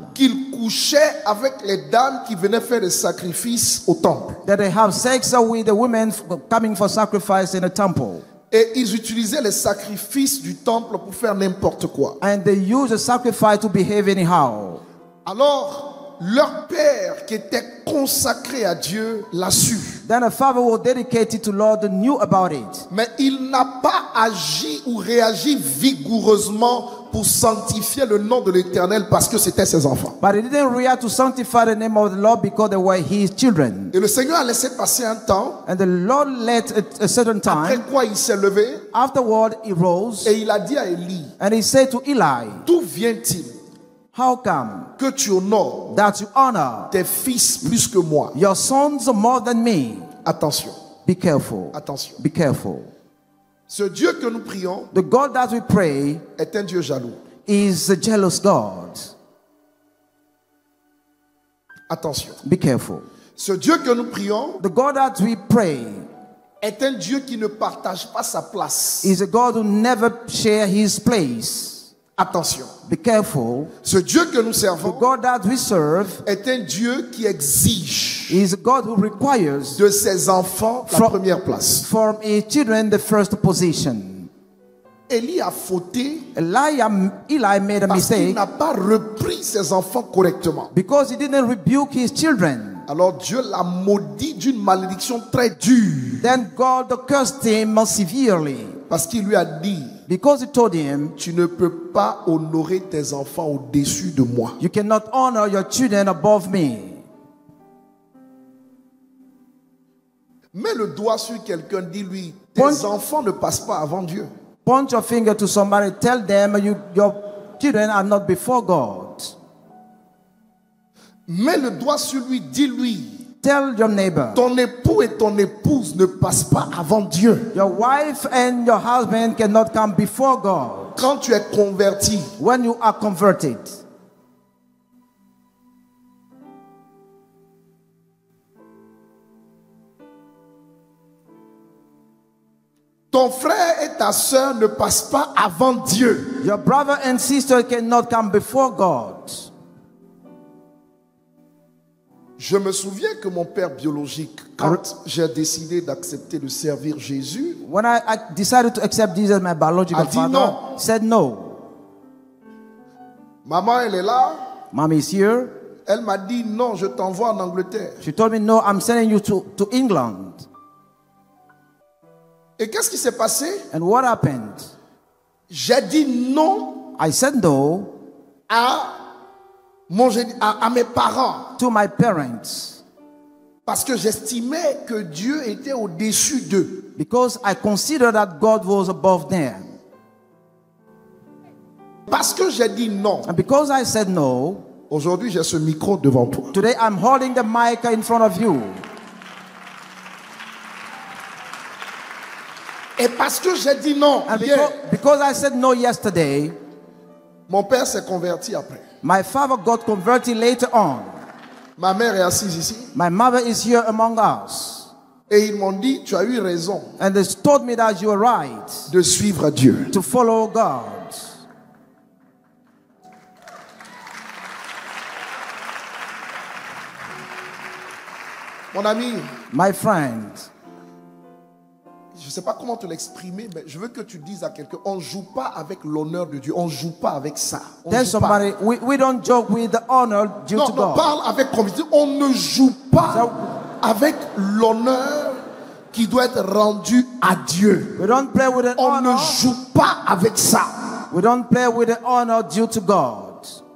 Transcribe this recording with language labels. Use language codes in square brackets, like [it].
[fr] qu'il couchait avec les dames qui venaient faire des sacrifices au temple. [en] That they have sex with the women coming for sacrifice in the temple. [fr] Et ils utilisaient les sacrifices du temple pour faire n'importe quoi. [en] And they use the sacrifice to behave anyhow. [fr] Alors, leur père qui était consacré à Dieu l'a su. [en] Then a father who was dedicated to Lord knew about it. [fr] Mais il n'a pas agi ou réagi vigoureusement pour sanctifier le nom de l'Éternel parce que c'était ses enfants. [en] But they didn't react to sanctify the name of the Lord because they were his children. [fr] Et le Seigneur a laissé passer un temps. [en] And the Lord let a certain time. [fr] Après quoi il s'est levé. [en] Afterward he rose. [fr] Et il a dit à Élie. [en] And he said to Eli. [fr] D'où vient-il? [en] How come [fr] que tu honores [en] that you honor [fr] tes fils plus que moi? [en] Your sons more than me. [fr] Attention. [en] Be careful. [fr] Attention. [en] Be careful. [fr] Ce Dieu que nous prions, [en] the God that we pray, [fr] est un Dieu jaloux. [en] Is a jealous God. [fr] Attention. [en] Be careful. [fr] Ce Dieu que nous prions, [en] the God that we pray, [fr] est un Dieu qui ne partage pas sa place. [en] Is a God who never share his place. [fr] Attention. [en] Be careful. [fr] Ce Dieu que nous servons, [en] the God that we serve, [fr] est un Dieu qui exige. [en] Is God who requires [fr] de ses enfants la première place. [en] From his children the first position. [fr] Élie a fauté. [en] Eli made a mistake. [fr] Parce qu'il n'a pas repris ses enfants correctement. [en] Because he didn't rebuke his children. [fr] Alors Dieu l'a maudit d'une malédiction très dure. [en] Then God cursed him severely. [fr] Parce qu'il lui a dit. [en] Because he told him, [fr] tu ne peux pas honorer tes enfants au-dessus de moi. [en] You cannot honor your children above me. [fr] Mets le doigt sur quelqu'un, dis-lui, tes point, enfants ne passent pas avant Dieu. [en] Point your finger to somebody, tell them your children are not before God. [fr] Mets le doigt sur lui, dis-lui. [en] Tell your neighbor. [fr] Ton époux et ton épouse ne passent pas avant Dieu. [en] Your wife and your husband cannot come before God. [fr] Quand tu es converti. [en] When you are converted. [fr] Ton frère et ta sœur ne passent pas avant Dieu. [en] Your brother and sister cannot come before God. [fr] Je me souviens que mon père biologique, quand j'ai décidé d'accepter de servir Jésus, [en] when I decided to accept Jesus, my biological [fr] a dit [en] father [fr] non. [en] Said no. [fr] Maman, elle est là. [en] Mommy is here. [fr] Elle m'a dit non, je t'envoie en Angleterre. [en] She told me no, I'm sending you to England. [fr] Et qu'est-ce qui s'est passé? [en] And what happened? [fr] J'ai dit non. [en] I said no. [fr] À mes parents. [en] To my parents. [fr] Parce que j'estimais que Dieu était au-dessus d'eux. [en] Because I considered that God was above them. [fr] Parce que j'ai dit non. [en] And because I said no. [fr] Aujourd'hui, j'ai ce micro devant toi. [en] Today I'm holding the mic in front of you. [fr] Et parce que j'ai dit non. [en] And because I said no yesterday. [fr] Mon père s'est converti après. [en] My father got converted later on. [fr] Ma mère est assise ici. [en] My mother is here among us. [fr] Et ils m'ont dit, tu as eu raison. [en] And they told me that you are right. [fr] De suivre Dieu. [en] To follow God. [fr] Mon ami. [en] My friend. [fr] Je ne sais pas comment te l'exprimer, mais je veux que tu dises à quelqu'un, on ne joue pas avec l'honneur de Dieu, on ne joue pas avec ça. [en] Tell somebody, we don't joke with the honor due to God. [fr] Non, parle avec conviction, on ne joue pas avec l'honneur qui doit être rendu à Dieu. [en] We don't play with the honor. [fr] On ne joue pas avec ça. [en] We don't play with the honor due to God.